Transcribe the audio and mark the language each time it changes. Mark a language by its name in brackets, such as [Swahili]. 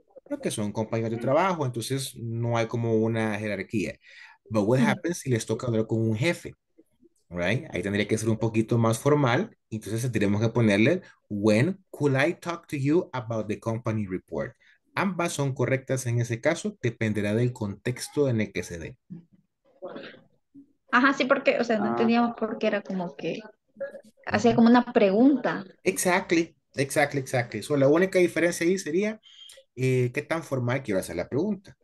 [Spanish] Porque son compañeros de trabajo, entonces no hay como una jerarquía. [English] But what happens [Spanish] si les toca hablar con un jefe? [English] Right? [Spanish] Ahí tendría que ser un poquito más formal. Entonces tendríamos que ponerle, [English] when could I talk to you about the company report? [Spanish] Ambas son correctas en ese caso, dependerá del contexto en el que se dé. Ajá, sí, porque, o sea, no entendíamos por qué era como que hacía como una pregunta. [English] Exactly. [Spanish] So, la única diferencia ahí sería qué tan formal quiero hacer la pregunta.